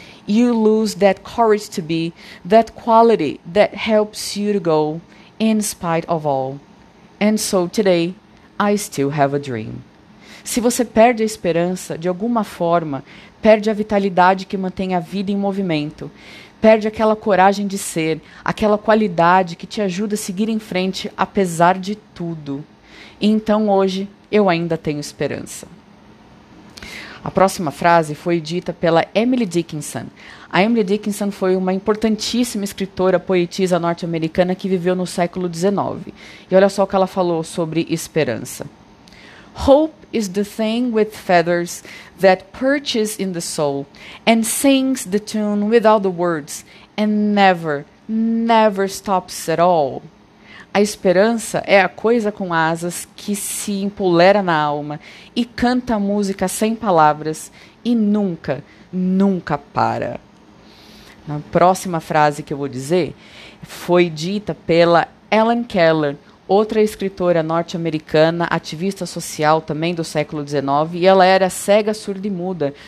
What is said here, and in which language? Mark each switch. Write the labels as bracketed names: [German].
[English] You lose that courage to be, that quality that helps you to go in spite of all. And so today, I still have a dream." [Portuguese] Se você perde a esperança, de alguma forma, perde a vitalidade que mantém a vida em movimento, perde aquela coragem de ser, aquela qualidade que te ajuda a seguir em frente apesar de tudo. Então hoje eu ainda tenho esperança. A próxima frase foi dita pela Emily Dickinson. A Emily Dickinson foi uma importantíssima escritora, poetisa norte-americana que viveu no século XIX. E olha só o que ela falou sobre esperança. [English] "Hope is the thing with feathers that perches in the soul and sings the tune without the words and never, never stops at all." [Portuguese] A esperança é a coisa com asas que se empolera na alma e canta a música sem palavras e nunca, nunca para. A próxima frase que eu vou dizer foi dita pela Helen Keller, outra escritora norte-americana, ativista social também do século XIX, e ela era cega, surda e muda.